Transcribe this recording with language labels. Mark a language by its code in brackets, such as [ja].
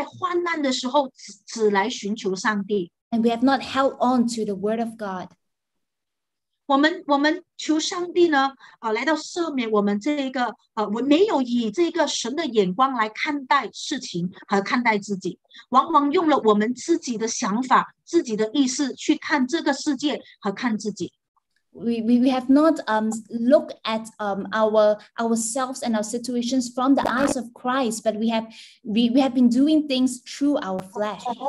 [zh] 我们也没有守住上帝给我们的道，我们只有在患难的时候只来寻求上帝。 [en] And we have not held on to the word of God. [zh] 我们求上帝呢，来到赦免我们这一个，没有以这个神的眼光来看待事情和看待自己。往往用了我们自己的想法、自己的意识去看这个世界和看自己。 [en] We have not looked at ourselves and our situations from the eyes of Christ, but we have been doing things through our flesh.